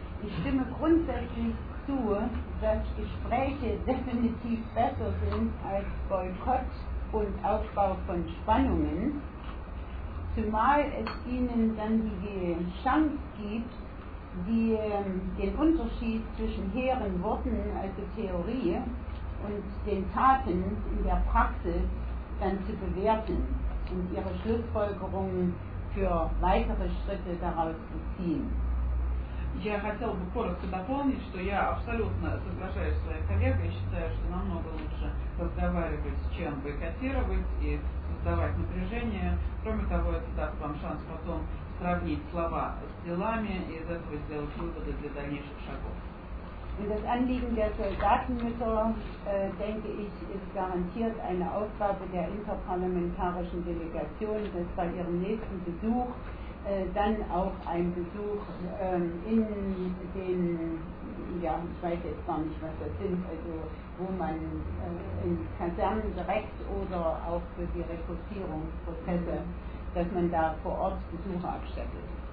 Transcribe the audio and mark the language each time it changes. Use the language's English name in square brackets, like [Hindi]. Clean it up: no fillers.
[German] Ich stimme grundsätzlich zu, dass Gespräche definitiv besser sind als Boykott und Aufbau von Spannungen, zumal es ihnen dann die Chance gibt, den Unterschied zwischen hehren Worten, also Theorie, und den Taten in der Praxis dann zu bewerten und ihre Schlussfolgerungen für weitere Schritte daraus zu ziehen. [Russian] Я хотела бы коротко дополнить, что я абсолютно соглашаюсь с своей коллегой, считаю, что намного лучше разговаривать, чем бойкотировать и создавать напряжение. Кроме того, это даст вам шанс потом сравнить слова с делами и из этого сделать выводы для дальнейших шагов. [German] Und das Anliegen der Soldatenmütter, denke ich, ist garantiert eine Aufgabe der interparlamentarischen Delegation, dass bei ihrem nächsten Besuch dann auch ein Besuch in den, ja, ich weiß jetzt gar nicht, was das sind, also wo man in Kasernen direkt oder auch für die Rekrutierungsprozesse, dass man da vor Ort Besuche abstattet.